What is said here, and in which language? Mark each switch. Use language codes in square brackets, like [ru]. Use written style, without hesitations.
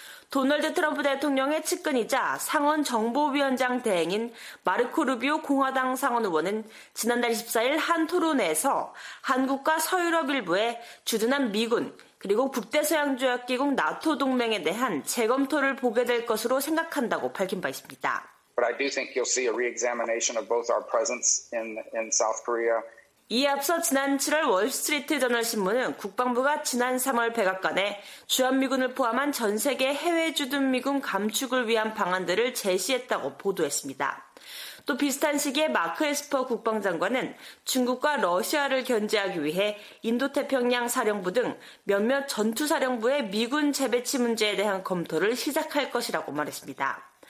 [ko] 도널드 트럼프 대통령의 측근이자 상원 정보위원장 대행인 마르코 루비오 공화당 상원 의원은 지난달 24일 한 토론회에서 한국과 서유럽 일부에 주둔한 미군 그리고 북대서양조약기구 나토 동맹에 대한 재검토를 보게 될 것으로 생각한다고 밝힌 바 있습니다. [en] But I do think you'll see a re-examination of both our presence in South Korea. [ko] 이에 앞서 지난 7월 월스트리트저널 신문은 국방부가 지난 3월 백악관에 주한미군을 포함한 전 세계 해외 주둔 미군 감축을 위한 방안들을 제시했다고 보도했습니다. 또 비슷한 시기에 마크 에스퍼 국방장관은 중국과 러시아를 견제하기 위해 인도태평양 사령부 등 몇몇 전투사령부의 미군 재배치 문제에 대한 검토를 시작할 것이라고 말했습니다.